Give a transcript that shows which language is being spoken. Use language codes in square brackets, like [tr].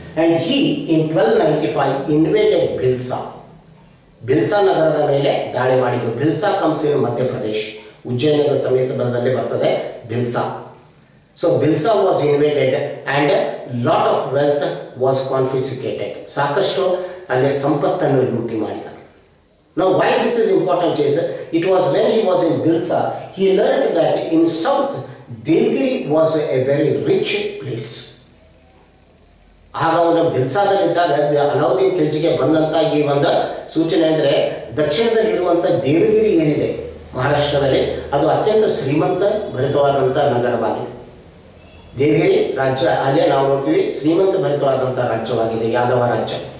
[en] and he in 1295 invaded Bhilsa, [kn] Bhilsa ನಗರದ ಮೇಲೆ ದಾಳಿ ಮಾಡಿದ್ದು. ಭಿಲ್ಸಾ [en] comes in [kn] ಮಧ್ಯಪ್ರದೇಶ, ಉಜ್ಜಯಿನಿಯ ಸಮೀಪದಲ್ಲಿ ಬರ್ತದೆ Bhilsa. [en] so Bhilsa was invaded and lot of wealth was confiscated, [kn] ಸಾಕಷ್ಟು ಅಲ್ಲಿ ಸಂಪತ್ತನ್ನು ಲೂಟಿ ಮಾಡಿದರು. [en] Now why this is important is, it was when he was in Bilsa, he learned that in south, Devagiri was a very rich place. [kn] ಆಗವನ ಬಿಲ್ಸಾದಲ್ಲಿದ್ದಾಗ Alauddin ಖಿಲ್ಜಿಗೆ ಬಂದಂತ ಈ ಒಂದು ಸೂಚನೆ ಅಂದರೆ, ದಕ್ಷಿಣದಲ್ಲಿ ಇರುವಂತಹ ದೇವಗಿರಿ ಏನಿದೆ ಮಹಾರಾಷ್ಟ್ರದಲ್ಲಿ, ಅದು ಅತ್ಯಂತ ಶ್ರೀಮಂತ ಭರಿತವಾದಂಥ ನಗರವಾಗಿದೆ. ದೇವಗಿರಿ ರಾಜ್ಯ ಅಲ್ಲೇ ನಾವು ನೋಡ್ತೀವಿ, ಶ್ರೀಮಂತ ಭರಿತವಾದಂಥ ರಾಜ್ಯವಾಗಿದೆ ಯಾದವ ರಾಜ್ಯ.